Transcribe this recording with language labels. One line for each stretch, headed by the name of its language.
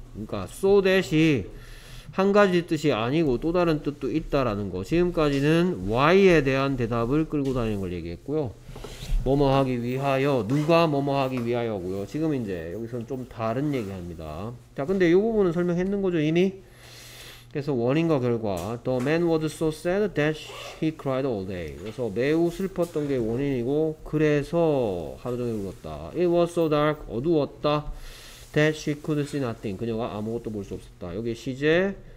Korean: 그러니까 so 대시 한 가지 뜻이 아니고 또 다른 뜻도 있다라는 거. 지금까지는 why에 대한 대답을 끌고 다니는 걸 얘기했고요. 뭐뭐 하기 위하여, 누가 뭐뭐 하기 위하여고요. 지금 이제 여기서는 좀 다른 얘기합니다. 자, 근데 이 부분은 설명했는 거죠, 이미? 그래서 원인과 결과.
English: The man was so sad that he cried all day.
Korean: 그래서 매우 슬펐던 게 원인이고, 그래서 하루 종일 울었다.
English: It was so dark,
Korean: 어두웠다.
English: That she could see nothing.
Korean: 그녀가 아무것도 볼수 없었다. 여기 시제.